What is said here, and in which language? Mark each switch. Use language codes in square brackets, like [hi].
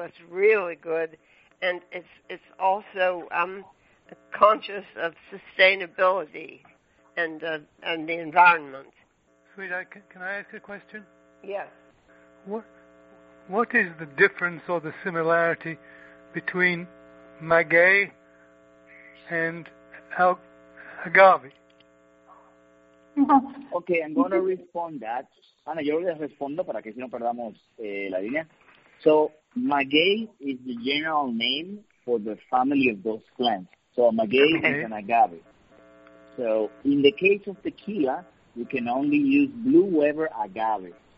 [en] It's really good, and it's also conscious of sustainability and the environment. Sweetheart, can I ask a question? Yes. What is the difference or the similarity between maguey and agave? Okay, I'm going to respond that. [es] Ana, yo le respondo para que si no perdamos la línea. [en] So, maguey is the general name for the family of those plants. So, maguey is an agave. So, in the case of tequila, we can only use Blue Weber agave.